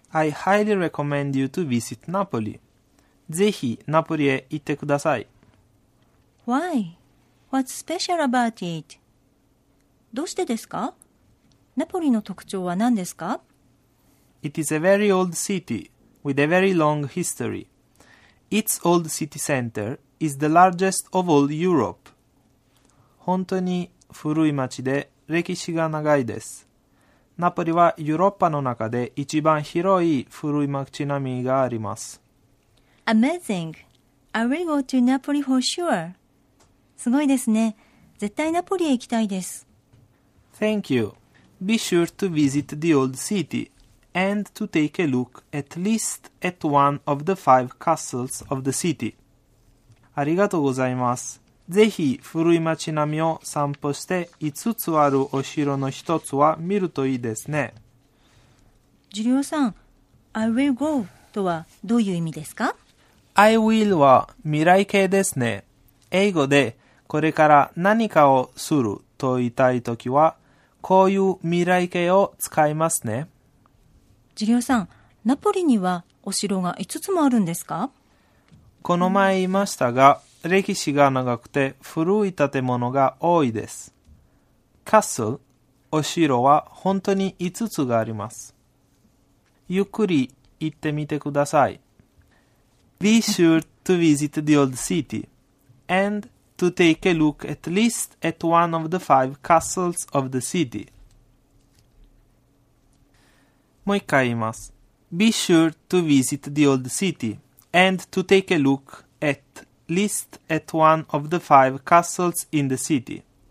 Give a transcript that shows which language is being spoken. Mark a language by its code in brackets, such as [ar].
[en] I highly recommend you to visit Napoli. [ja] ぜひナポリへ行ってください。 [en] Why? What's special about it? [ja] どうしてですか? ナポリの特徴は何ですか? [en] It is a very old city with a very long history. Its old city center is the largest of all Europe. [ja] 本当に古い町で歴史が長いです。ナポリはヨーロッパの中で一番広い古い町並みがあります。 [en] Amazing! I will go to Napoli for sure. [ja] すごいですね。絶対ナポリへ行きたいです。 [en] Thank you. Be sure to visit the old city and to take a look at least at one of the five castles of the city. [ja] ありがとうございます。ぜひ古い町並みを散歩して5つあるお城の1つは見るといいですね。次良さん、 [en] I will go [ja] とはどういう意味ですか? I will は未来形ですね。英語でこれから何かをすると言いたいときはこういう未来形を使いますね。次良さん、ナポリにはお城が5つもあるんですか? この前言いましたが、歴史が長くて古い建物が多いです。 Castle、お城は本当に5つがあります。ゆっくり行ってみてください。 [en] Be sure to visit the old city and to take a look at least at one of the five castles of the city. [ja] もう一回言います。 [en] Be sure to visit the old city and to take a look at List at one of the five castles in the city.